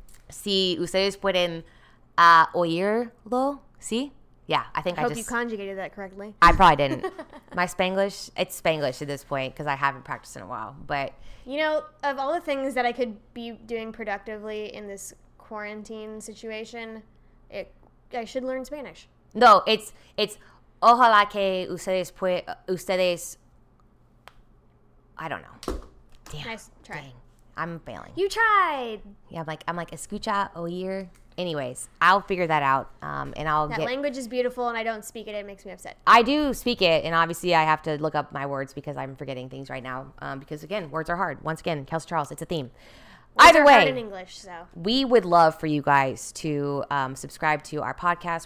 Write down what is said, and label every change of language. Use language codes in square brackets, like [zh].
[es] Si ustedes pueden oírlo, ¿sí? [en] Yeah, I think I hope you conjugated that correctly. I probably didn't. My Spanglish, it's Spanglish at this point because I haven't practiced in a while. But, you know, of all the things that I could be doing productively in this quarantine situation, I should learn Spanish. No, it's [es] ojalá que ustedes, [en] I don't know. Damn. Nice try. Dang, I'm failing. You tried. Yeah, I'm like [es] escucha oír. [en] Anyways, I'll figure that out, and I'll get... That language is beautiful, and I don't speak it. It makes me upset. I do speak it, and obviously I have to look up my words because I'm forgetting things right now, because, again, words are hard. Once again, Kelsey Charles, it's a theme. Either way, in English, so. We would love for you guys to subscribe to our podcast.